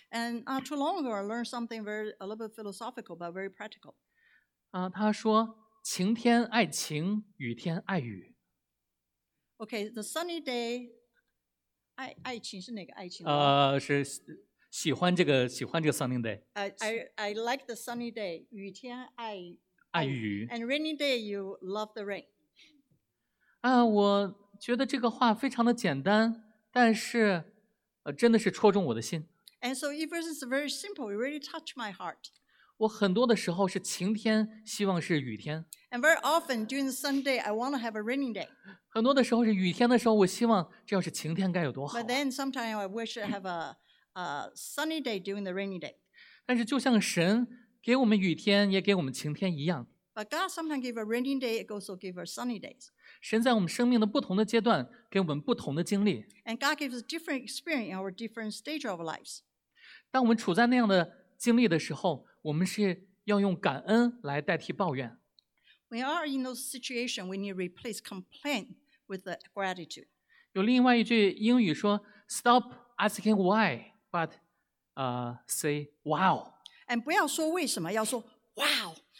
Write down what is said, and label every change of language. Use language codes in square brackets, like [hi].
[en] And not too long ago, I learned something a little bit philosophical but very practical. [zh] 他说晴天爱晴，雨天爱雨。 [en] Okay, the sunny day, [zh] 爱情是哪个爱情？是喜欢这个 [en] sunny day。 I like the sunny day, [zh] 雨天爱雨。 [en] And rainy day, you love the rain. [zh] 我觉得这个话非常的简单，但是真的是戳中我的心。 [en] And so it was very simple. It really touched my heart. [zh] 我很多的时候是晴天，希望是雨天。 [en] And very often during the sunny day, I want to have a rainy day. [zh] 很多的时候是雨天的时候，我希望这要是晴天该有多好。 [en] But then sometimes I wish I have a sunny day during the rainy day. [zh] 但是就像神给我们雨天，也给我们晴天一样。 [en] But God sometimes give a rainy day, it also give us sunny days. [zh] 神在我们生命的不同的阶段给我们不同的经历。 [en] And God gives a different experience in our different stage of lives. [zh] 当我们处在那样的经历的时候，我们是要用感恩来代替抱怨。 [en] We are in those situations, we need to replace complaint with the gratitude. [zh] 有另外一句英语说 , [en] stop asking why, but say wow. [zh] And 不要说为什么，要说 wow.